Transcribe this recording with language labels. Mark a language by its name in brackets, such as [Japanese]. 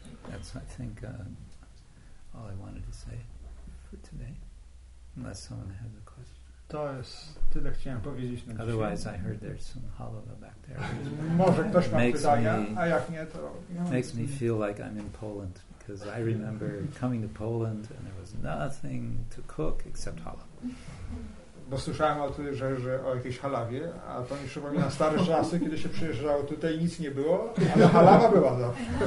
[English] That's, I think, all I wanted to say for today. Unless someone has a question. [Polish] To jest tyle, chciałem powiedzieć na [English] otherwise [Polish] dzisiaj. [English] I heard there's some halowa back there. [Polish] Może ktoś ma pytania, a jak nie, to... Nie [English] makes me feel like I'm in Poland, because I remember coming to Poland and there was nothing to cook except halowa. [Polish] Bo słyszałem o tym, że o jakiejś halawie, a to mi przypomina stare czasy, kiedy się przyjeżdżało tutaj i nic nie było, ale halawa była zawsze.